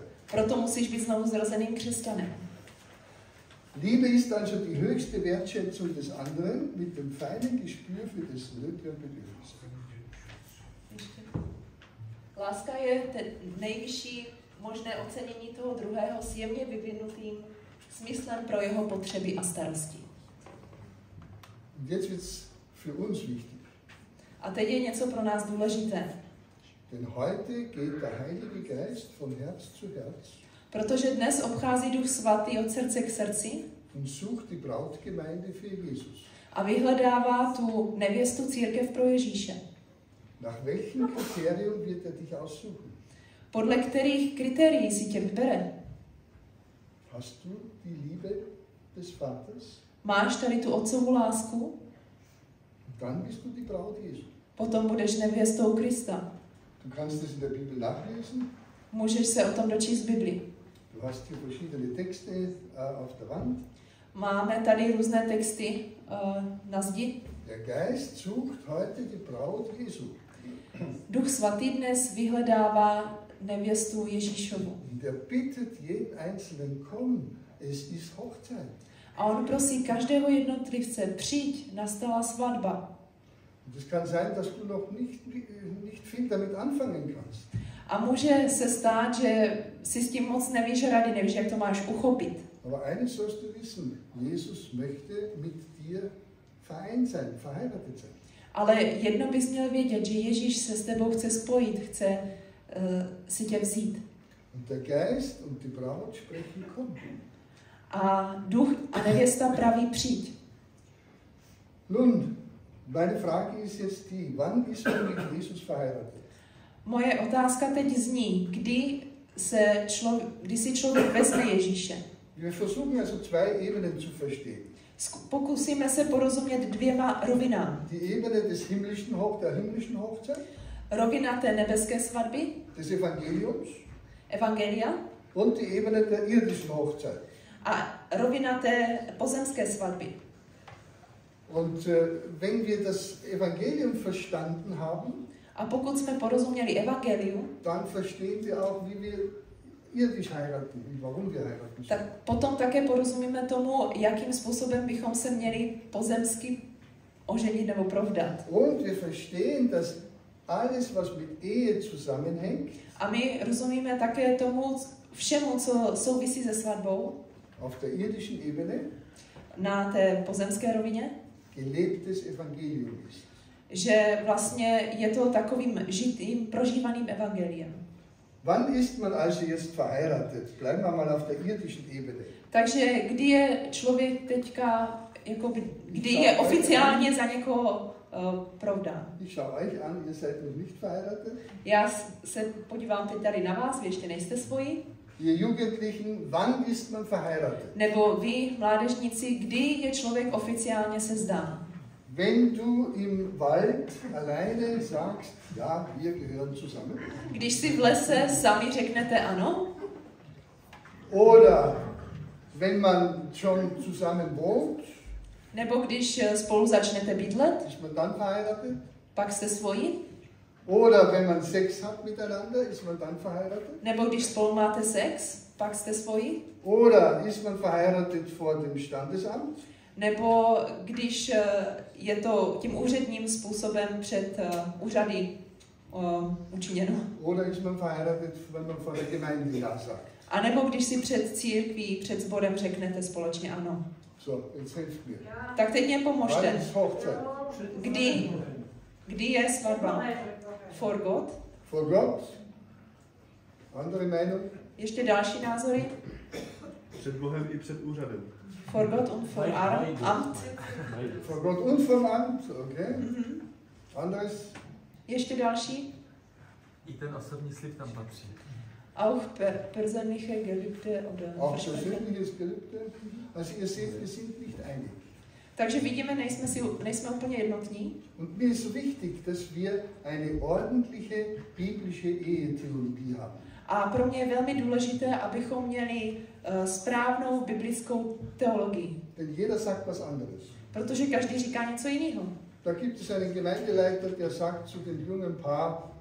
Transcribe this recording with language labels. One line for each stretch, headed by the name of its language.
Czech: Proto musíš být znovu zrozeným křesťanem.
German: Liebe ist also die höchste Wertschätzung des anderen mit dem feinen Gespür für das nötige Bedürfnis.
Czech: Láska je nejvyšší možné ocenění toho druhého s jemně vyvinutým smyslem pro jeho potřeby a starosti.
German: Jetzt wird's für uns wichtig.
Czech: A teď je něco pro nás důležité.
German: Denn heute geht der Heilige Geist von Herz zu Herz.
Czech: Protože dnes obchází Duch Svatý od srdce k srdci.
German: Und sucht die Brautgemeinde für Jesus.
Czech: A vyhledává tu nevěstu církev pro Ježíše.
German: Nach welchem Kriterium wird dich aussuchen?
Czech: Podle kterých kritérií si tě vybere?
German: Hast du die Liebe des Vaters?
Czech: Máš tady tu otcovu lásku?
German: Dann bist du die Braut Jesu.
Czech: Potom budeš nevěstou Krista.
German: Du kannst es in der Bibel nachlesen.
Czech: Můžeš se o tom dočíst v Biblii.
German: Du hast hier verschiedene Texte auf der Wand.
Czech: Máme tady různé texty na zdi.
German: Der Geist sucht heute die Braut Jesu.
Czech: Duch Svatý dnes vyhledává nevěstu Ježíšovu.
German: Der bittet jeden einzelnen komm, es ist Hochzeit.
Czech: A on prosí každého jednotlivce, přijď, nastala svatba.
German: Und es kann sein, dass du noch nicht viel damit anfangen kannst.
Czech: A může se stát, že si s tím moc nevíš rady, nevíš, jak to máš uchopit.
German: Aber eines sollst du wissen, Jesus möchte mit dir vereint sein, verheiratet sein.
Czech: Ale jedno bys měl vědět, že Ježíš se s tebou chce spojit, chce si tě vzít.
German: Und der Geist und die Braut sprechen komm.
Czech: A Duch a nevěsta praví přijď.
German: Nun, meine Frage ist jetzt die, wann ist man mit Jesus verheiratet?
Czech: Moje otázka teď zní, kdy si člověk vezme Ježíše?
German: Wir versuchen also zwei Ebenen zu verstehen.
Czech: Pokusíme se porozumět dvěma rovinám.
German: Die Ebene des himmlischen der himmlischen Hochzeit.
Czech: Rovina té nebeské svatby.
German: Des Evangeliums.
Czech: Evangelia.
German: Und die Ebene der irdischen Hochzeit.
Czech: A rovina té pozemské svatby.
German: Und wenn wir das Evangelium verstanden haben,
Czech: a pokud jsme porozuměli evangeliu,
German: dann verstehen wir auch, wie wir irdisch heiraten und warum wir heiraten.
Czech: Tak potom také porozumíme tomu, jakým způsobem bychom se měli pozemsky oženit nebo provdat.
German: Und wir verstehen, dass alles, was mit Ehe zusammenhängt,
Czech: a my rozumíme také tomu všemu, co souvisí se svatbou,
German: auf der irdischen Ebene,
Czech: na té pozemské rovině,
German: gelebtes Evangelium ist.
Czech: Že vlastně je to takovým žitým, prožívaným evangeliem.
German: Wann ist man also jetzt verheiratet? Bleiben wir mal auf der irdischen Ebene.
Czech: Takže kdy je člověk teďka, jakoby, kdy je oficiálně za někoho provdán?
German: Ich schaue euch an, ihr seid noch nicht verheiratet.
Czech: Já se podívám teď tady na vás, vy ještě nejste svoji.
German: Ihr Jugendlichen, wann ist man verheiratet?
Czech: Nebo vy, mládežníci, kdy je člověk oficiálně sezdán?
German: Wenn du im Wald alleine sagst, ja, wir gehören zusammen.
Czech: Když si v lese sami řeknete ano.
German: Oder wenn man schon zusammen wohnt.
Czech: Nebo když spolu začnete bydlet.
German: Ist man dann verheiratet?
Czech: Pak jste svoji.
German: Oder wenn man Sex hat miteinander, ist man dann verheiratet?
Czech: Nebo když spolu máte Sex, pak jste svoji.
German: Oder ist man verheiratet vor dem Standesamt?
Czech: Nebo když je to tím úředním způsobem před úřady učiněno.
German: Oder ist man verheiratet, wenn man vor der Gemeinde ja sagt.
Czech: A nebo když si před církví, před sborem řeknete společně ano.
German: So, jetzt helft mir.
Czech: Tak teď mě pomožte.
German: Wann ist Hochzeit?
Czech: Kdy je svatba?
German: For God? For God? Andere Meinung?
Czech: Ještě další názory? Před Bohem i před úřadem.
German: For God und vor Amt. For God und vor Amt, okay. Mm-hmm. Anders?
Czech: Ještě další? I ten osobní slib tam patří.
German: Auch persönliche Gelübde oder auch persönliches Gelübde? Also ihr seht, wir sind nicht einig.
Czech: Takže vidíme, nejsme úplně jednotní.
German: Und mir ist wichtig, dass wir eine ordentliche biblische Ehetheologie haben.
Czech: A pro mě je velmi důležité, abychom měli správnou biblickou teologii.
German: Denn jeder sagt was anderes.
Czech: Protože každý říká něco jiného.
German: Da gibt es einen Gemeindeleiter, der sagt zu dem jungen Paar.